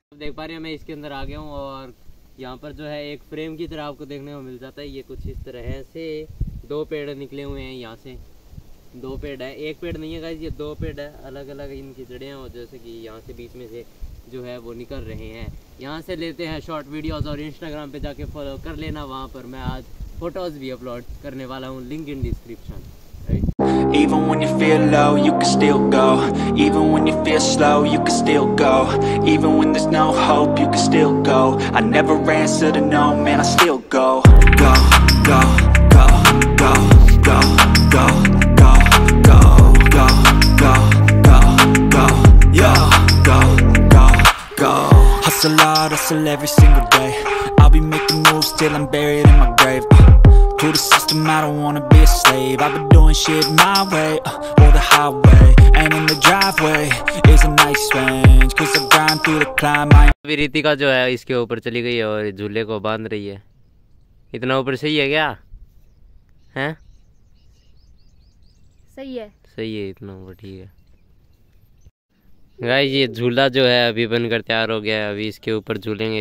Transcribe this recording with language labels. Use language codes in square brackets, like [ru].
[hi] आप देख पा रहे हैं मैं इसके अंदर आ गया हूँ, और यहाँ पर जो है एक फ्रेम की तरह आपको देखने को मिल जाता है। ये कुछ इस तरह से दो पेड़ निकले हुए हैं, यहाँ से दो पेड़ है, एक पेड़ नहीं है गाइस, ये दो पेड़ है, अलग अलग इनकी जड़ें हैं, और जैसे कि यहाँ से बीच में से जो है वो निकल रहे हैं। यहाँ से लेते हैं शॉर्ट वीडियोज़, और इंस्टाग्राम पर जाके फॉलो कर लेना, वहाँ पर मैं आज फोटोज़ भी अपलोड करने वाला हूँ, [en] Link in description. Even when you feel low, you can still go. Even when you feel slow, you can still go. Even when there's no hope, you can still go. I never answer to no, man, I still go. Go, go, go, go, go, go, go, go, go, go, go, go, yo, go, go, go. Hustle hard, hustle every single day. I'll be making moves till I'm buried in my grave. To the system, I don't wanna be a slave. I've been doing shit my way, or the highway. And in the driveway is a nice range. Cause I grind through the climb. [hi] अभी रितिका जो है इसके ऊपर चली गई है और झूले को बांध रही है। इतना ऊपर सही है क्या? हैं? सही है इतना ऊपर, ठीक है। गाइस ये झूला जो है अभी बनकर तैयार हो गया है, अभी इसके ऊपर झूलेंगे।